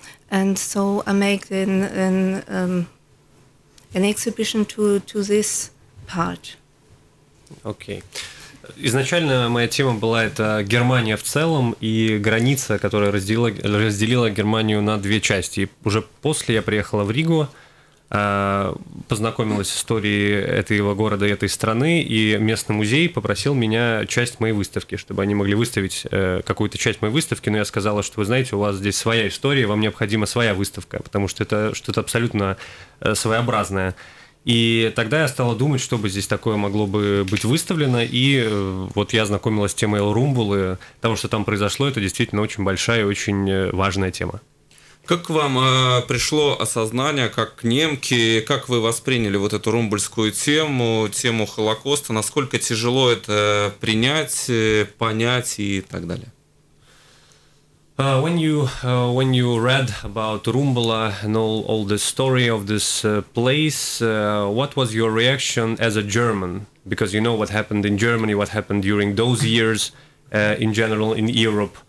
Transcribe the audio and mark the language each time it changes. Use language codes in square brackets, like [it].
[en] And so I make an exhibition to this part. Okay. [ru] Изначально моя тема была это Германия в целом и граница, которая разделила Германию на две части. И уже после я приехала в Ригу, познакомилась с историей этого города и этой страны, и местный музей попросил меня часть моей выставки, чтобы они могли выставить какую-то часть моей выставки, но я сказала, что, вы знаете, у вас здесь своя история, вам необходима своя выставка, потому что это что-то абсолютно своеобразное. И тогда я стала думать, что бы здесь такое могло бы быть выставлено, и вот я знакомилась с темой Элрумбулы, того, что там произошло, это действительно очень большая и очень важная тема. Как вам пришло осознание, как немки, как вы восприняли вот эту румбульскую тему, тему Холокоста, насколько тяжело это принять, понять и так далее? [en] When you read about Rumbula and all the story of this place, what was your reaction as a German? Because you know what happened in Germany, what happened during those years in general in Europe.